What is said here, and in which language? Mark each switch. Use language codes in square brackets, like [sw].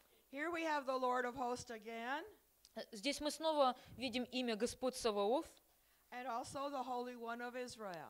[en] Here we have the Lord of hosts again. [ru] Здесь мы снова видим имя Господь Саваоф. [en] And also the Holy One of Israel.